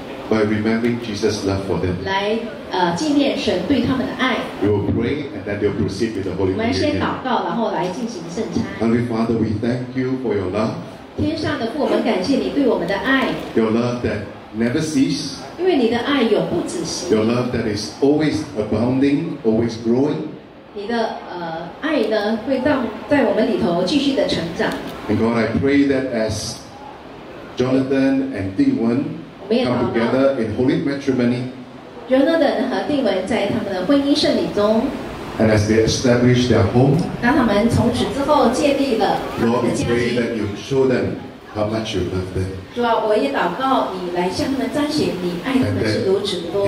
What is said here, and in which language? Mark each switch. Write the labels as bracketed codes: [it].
[en] By remembering Jesus' love for them. [zh] 来纪念神对他们的爱。 [en] We will pray and then they'll proceed with the Holy Communion. [zh] 我们先祷告，然后来进行圣餐。 [en] Heavenly Father, we thank you for your love. [zh] 天上的父，我们感谢你对我们的爱。 [en] Your love that never ceases. [zh] 因为你的爱永不止息。 [en] Your love that is always abounding, always growing. [zh] 你的爱呢，会让在我们里头继续的成长。 [en] And God, I pray that as Jonathan and Ting Wen. Come together in holy matrimony. [zh] Jonathan 和定文在他们的婚姻圣礼中。 [en] And as they establish their home. [zh] 当他们从此之后建立了他们的家庭。 [en] Lord, we pray that you show them how much you love them. [zh] 主啊，我也祷告你来向他们彰显你爱他们是如此多。